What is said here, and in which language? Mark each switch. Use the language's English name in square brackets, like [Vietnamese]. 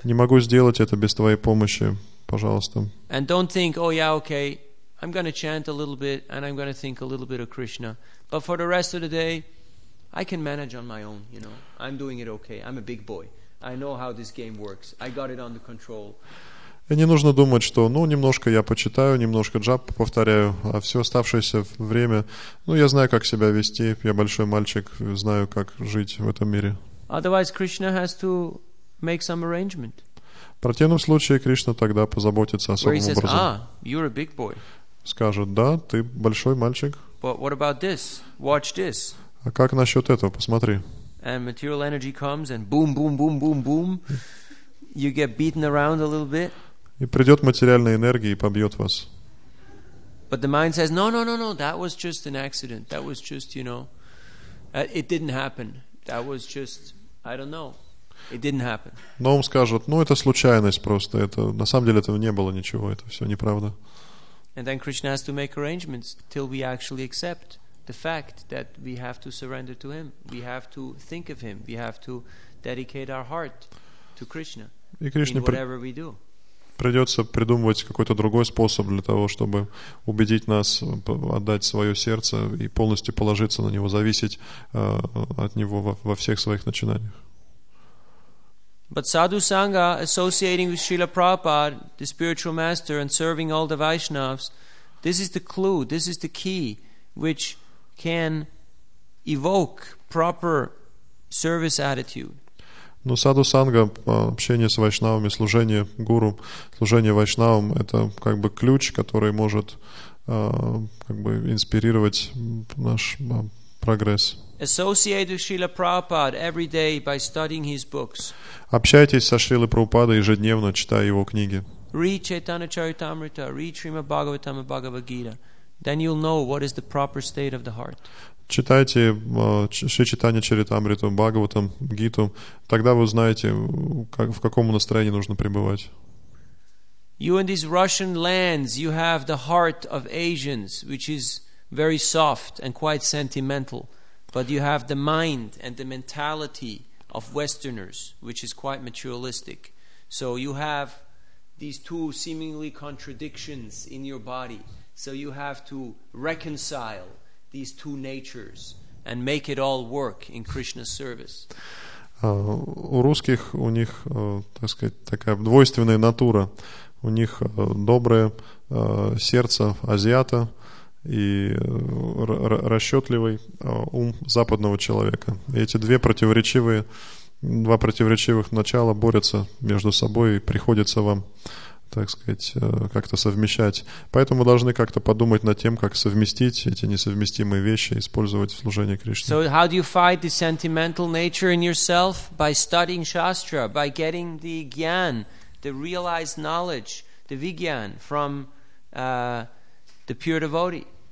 [Russian] Не могу сделать это без твоей помощи, пожалуйста. [English] And don't think, oh yeah, okay. I'm going to chant a little bit and I'm going to think a little bit of Krishna. But for the rest of the day, I can manage on my own, you know. I'm doing it okay. I'm a big boy. I know how this game works. I got it under control. [Russian] И не нужно думать, что, ну, немножко я почитаю, немножко джап повторяю, а все оставшееся время, ну, я знаю, как себя вести. Я большой мальчик, знаю, как жить в этом мире. [English] Otherwise, Krishna has to make some arrangement. [Russian] В противном случае Кришна тогда позаботится особым [English] says, [Russian] образом. [English] Ah, you're a big boy. [Russian] Скажет, да, ты большой мальчик. [English] But what about this? Watch this. [Russian] А как насчет этого? Посмотри. [English] And material energy comes and boom, boom, boom, boom, boom. You get beaten around a little bit. [Russian] И придет материальная энергия и побьет вас. [English] But the mind says, no, that was just an accident. That was just, you know, it didn't happen. That was just, I don't know. It didn't happen. [Russian] Но он скажет, ну это случайность просто, это на самом деле этого не было ничего, это все неправда. [English] And then Krishna has to make arrangements till we actually accept the fact that we have to surrender to him, we have to think of him, we have to dedicate our heart to Krishna. [Russian] И Кришне придется придумывать какой-то другой способ для того, чтобы убедить нас отдать свое сердце и полностью положиться на него, зависеть от него во всех своих начинаниях. [English] But Sadhu Sangha, associating with Srila Prabhupada, the spiritual master, and serving all the Vaishnavas, this is the clue, this is the key which can evoke proper service attitude. [Russian] Но Sadhu Sangha, общение с Вайшнавами, служение гуру, служение Вайшнавам, это как бы ключ, который может как бы инспирировать наш прогресс. [English] Associate with Srila Prabhupada every day by studying his books. [Russian] Общайтесь со Шрилой Прабхупадой ежедневно, читая его книги. [English] Read Chaitanya Charitamrita, read Srimad Bhagavatam and Bhagavad Gita. Then you'll know what is the proper state of the heart. [Russian] Читайте Шри Чайтанья Чаритамриту, Бхагаватам, Гиту. Тогда вы узнаете, в каком настроении нужно пребывать. [English] You in these Russian lands, you have the heart of Asians, which is very soft and quite sentimental. But you have the mind and the mentality of Westerners, which is quite materialistic. So you have these two seemingly contradictions in your body. So you have to reconcile these two natures and make it all work in Krishna's service. [Russian] У русских, у них, так сказать, такая двойственная натура. У них доброе сердце азиата и расчетливый ум западного человека. И эти два противоречивых начала борются между собой, и приходится вам, так сказать, как-то совмещать. Поэтому должны как-то подумать над тем, как совместить эти несовместимые вещи, использовать в служении Кришне. [English] So how do you fight the sentimental nature in yourself? By studying Shastra, by getting the Gyan, the realized knowledge, the Vigyan from the pure devotee.